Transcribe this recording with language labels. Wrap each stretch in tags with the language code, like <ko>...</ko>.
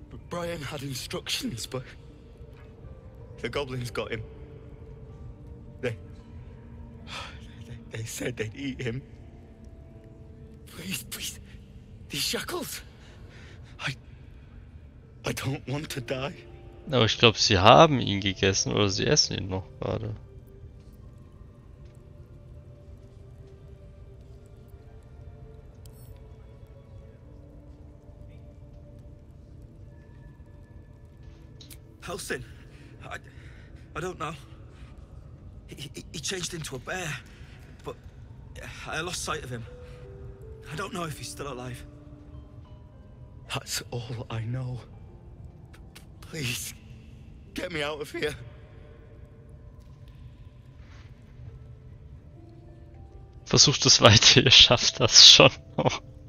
<en>Brian had instructions, but the goblins got him. They said they'd eat him. Please, please, these shackles. I don't want to die.</en> <de>Aber ich glaube, sie haben ihn gegessen oder sie essen ihn noch gerade.</de> <en>Helsin, I don't know. He changed into a bear, but I lost sight of him. I don't know if he's still alive. That's all I know. Please, get me out of here.</en> <de>Versucht es weiter, ihr schafft das schon noch.</de>